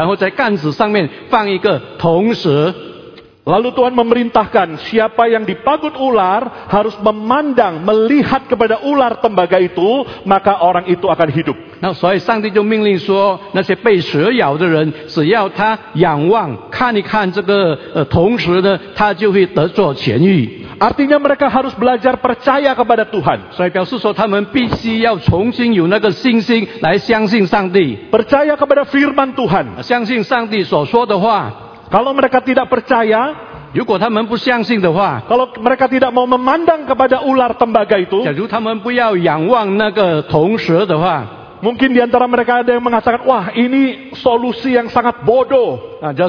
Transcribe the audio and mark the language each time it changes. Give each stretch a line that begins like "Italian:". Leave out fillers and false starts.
Chinese: 但是摩西叫上帝叫摩西做一根杆子，然后在杆子上面放一个铜蛇。
Indonesian: Lalu Tuhan memerintahkan siapa yang dipagut ular harus memandang melihat kepada ular tembaga itu maka orang itu akan hidup.
Chinese: Nah, 所以上帝就命令说那些被蛇咬的人只要他仰望看一看这个铜蛇呢，他就会得着痊愈。
Indonesian: Artinya mereka harus belajar percaya kepada Tuhan.
Chinese: 所以表示说他们必须要重新有那个信心来相信上帝。
Indonesian: Percaya kepada firman Tuhan.
Chinese: 相信上帝所说的话。
Indonesian: Kalau mereka tidak percaya,
Chinese: 如果他们不相信的话,
Indonesian: kalau mereka tidak mau memandang kepada ular tembaga itu,
Chinese: 假如他们不要仰望那个铜蛇的话,
Indonesian: mungkin di antara mereka ada yang mengatakan, wah ini solusi yang sangat bodoh.